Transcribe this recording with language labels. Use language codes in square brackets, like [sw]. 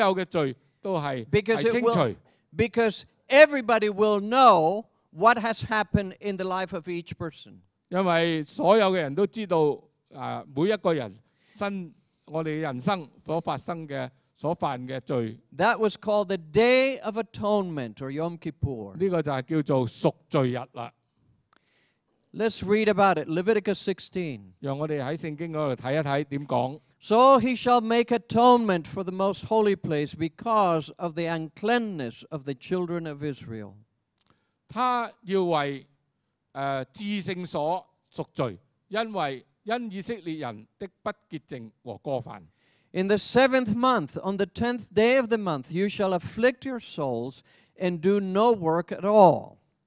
[zh] 这个就代表了将会发生的就是有一次过上帝会将所有的罪都系清除。 [en] Because everybody will know what has happened in the life of each person. [zh] 因为所有的人都知道。每一个人生所犯的罪 [en] That was called the Day of Atonement or Yom Kippur. [zh] 这个就叫做赎罪日。 [en] Let's read about it, Leviticus 16. [zh] 让我们在圣经那里看一看怎么说。 [en] So he shall make atonement for the most holy place because of the uncleanness of the children of Israel. [zh] 他要为至圣所赎罪，因为 [en] In the seventh month, on the tenth day of the month, you shall afflict your souls and do no work at all.